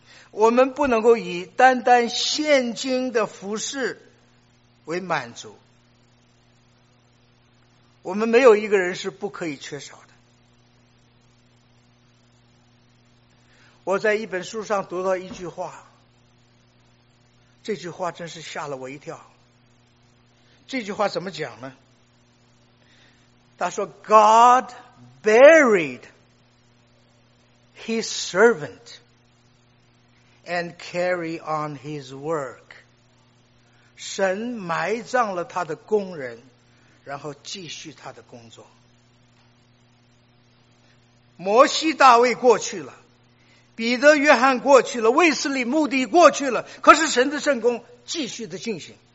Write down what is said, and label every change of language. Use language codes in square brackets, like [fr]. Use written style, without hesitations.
[zh] 我们不能够以单单现今的服侍为满足，我们没有一个人是不可以缺少。我在一本书上读到一句话，这句话真是吓了我一跳。这句话怎么讲呢？他说 [en] God buried his servant and carry on his work. [zh] 神埋葬了他的工人，然后继续他的工作。摩西大卫过去了，彼得约翰过去了，卫斯理穆迪过去了，可是神的圣工继续的进行。